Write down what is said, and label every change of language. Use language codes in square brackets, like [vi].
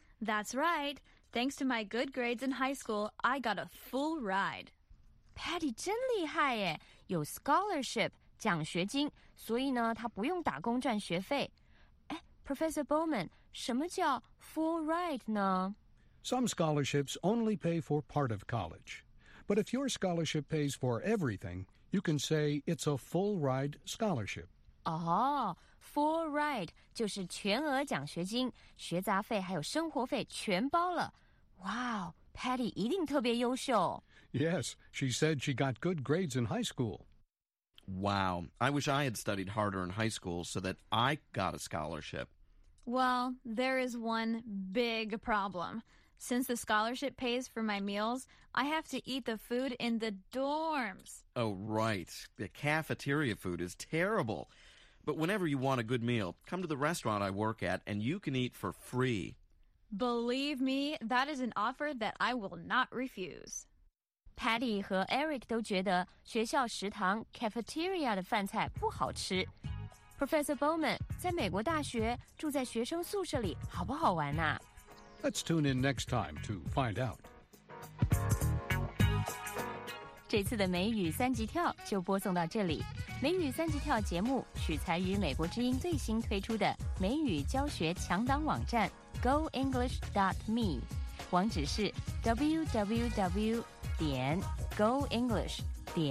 [en] That's right. Thanks to my good grades in high school, I got a full ride. [zh] Patty 真厉害耶，有 scholarship 奖学金，所以呢，她不用打工赚学费。哎 ，Professor Bowman， 什么叫 full ride 呢 [en] ？Some scholarships only pay for part of college, but if your scholarship pays for everything, you can say it's a full ride scholarship. [zh] Oh, full ride 就是全额奖学金，学杂费还有生活费全包了。 Wow, Patty 一定特别优秀。 [en] Yes, she said she got good grades in high school. Wow, I wish I had studied harder in high school so that I got a scholarship. Well, there is one big problem. Since the scholarship pays for my meals, I have to eat the food in the dorms. Oh, right. The cafeteria food is terrible. But whenever you want a good meal, come to the restaurant I work at and you can eat for free. Believe me, that is an offer that I will not refuse. [zh] Patty 和 Eric 都觉得学校食堂 cafeteria 的饭菜不好吃。 Professor Bowman, 在美国大学住在学生宿舍里好不好玩呢？ [en] Let's tune in next time to find out. [zh] 这次的美语三级跳就播送到这里。美语三级跳节目取材于美国之音最新推出的美语教学强档网站。 goenglish.me 网址是 www.goenglish.me